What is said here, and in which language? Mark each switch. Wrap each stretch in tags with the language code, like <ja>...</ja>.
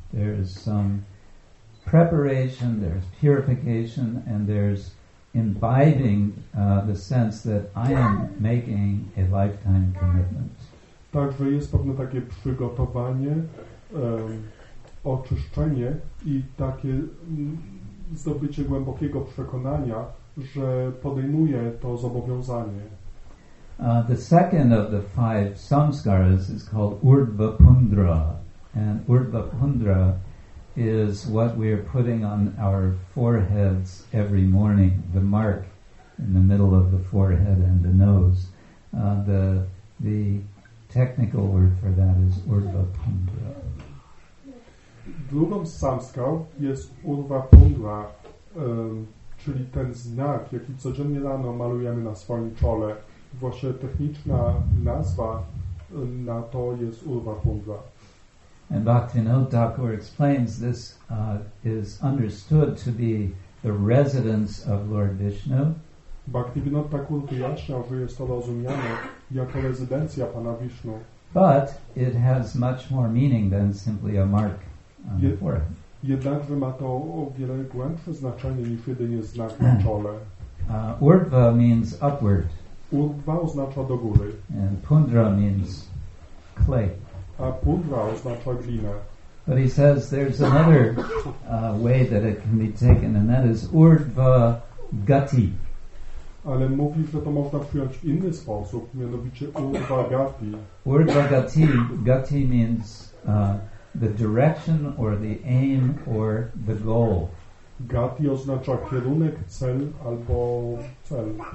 <en>There is some preparation, there's purification, and there's imbibing the sense that I am making a lifetime commitment.</en> <pl>Także jest pewne takie przygotowanie, oczyszczenie i takie zdobycie głębokiego przekonania, że podejmuje to zobowiązanie.</pl> <en>The second of the five samskaras is called Urdhvapundra. And Urdhvapundra is what we are putting on our foreheads every morning, the mark in the middle of the forehead and the nose. The technical word for that is Urdhvapundra.</en> <pl>Drugą samskarą jest Urdhvapundra, czyli ten znak, jaki codziennie rano malujemy na swoim czole. Właśnie techniczna nazwa na to jest Urdhvapundra.</pl> <en>And Bhaktivinoda Thakur explains this is understood to be the residence of Lord Vishnu.</en> <pl>Bhaktivinoda Thakur wyjaśnia, że jest to rozumiane jako rezydencja Pana Vishnu.</pl> <en>But it has much more meaning than simply a mark on the forehead.</en> <pl>Jednakże ma to o wiele głębsze znaczenie niż jedynie znak na czole.</pl> <en>Urdhva means upward.</en> <pl>Urdhva oznacza do góry.</pl> <en>And pundra means clay.</en> <pl>A pundra oznacza glinę.</pl> <en>But he says there's another way that it can be taken, and that is urdhva gati.</en> <pl>Ale mówi, że to można przyjąć w inny sposób, mianowicie urdhva gati.</pl> <en>Urdhva gati, gati means the direction or the aim or the goal.</en> <pl>Gati oznacza kierunek, cel albo cel.</pl>